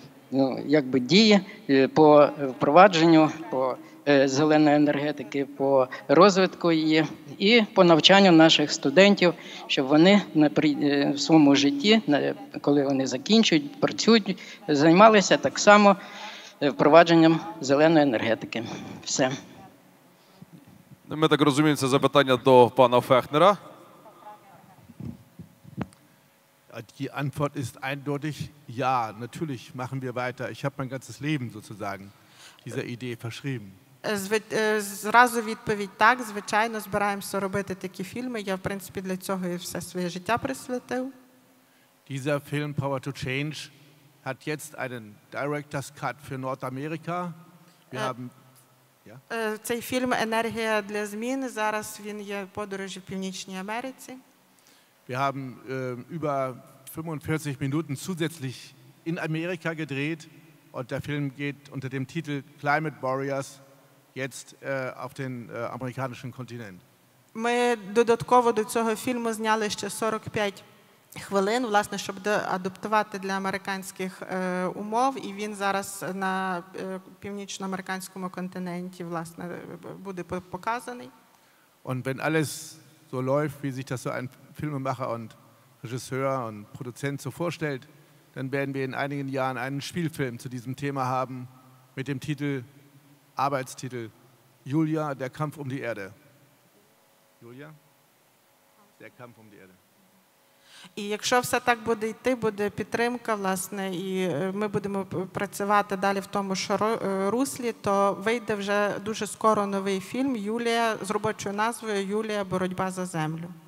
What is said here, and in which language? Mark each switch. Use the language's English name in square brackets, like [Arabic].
[Ukrainian] ну, якби дії по впровадженню, по зеленої енергетики, по розвитку її і по навчанню наших студентів, щоб вони в своєму житті, коли вони закінчують, працюють, займалися так само впровадженням зеленої енергетики. Все. Ми так розуміємо, це запитання до пана Фехнера. [German] Die Antwort ist eindeutig ja, natürlich machen wir weiter. Ich habe mein ganzes Leben sozusagen dieser Idee verschrieben. [Ukrainian] Зразу відповідь так, звичайно, збираємося робити такі фільми. Я, в принципі, для цього і все своє життя присвятив. [German] Dieser Film Power to Change hat jetzt einen Director's Cut für Nordamerika. Wir haben [Ukrainian] Цей фільм «Енергія для змін» зараз він є подорожі в Північній Америці. [German] Wir haben über 45 Minuten zusätzlich in Amerika gedreht und der Film geht unter dem Titel Climate Warriors jetzt auf den amerikanischen Kontinent. [Ukrainian] Ми додатково до цього фільму зняли ще 45 хвилин, власне, щоб адаптувати для американських умов, і він зараз на північноамериканському континенті, власне, буде показаний. [German] Und wenn alles so läuft, wie sich das so ein Filmemacher und Regisseur und Produzent so vorstellt, dann werden wir in einigen Jahren einen Spielfilm zu diesem Thema haben mit dem Titel, Arbeitstitel Julia, der Kampf um die Erde. Julia? Der Kampf um die Erde. [Ukrainian] І якщо все так буде йти, буде підтримка, власне, і ми будемо працювати далі в тому ж руслі, то вийде вже дуже скоро новий фільм Юлія з робочою назвою Юлія, боротьба за землю.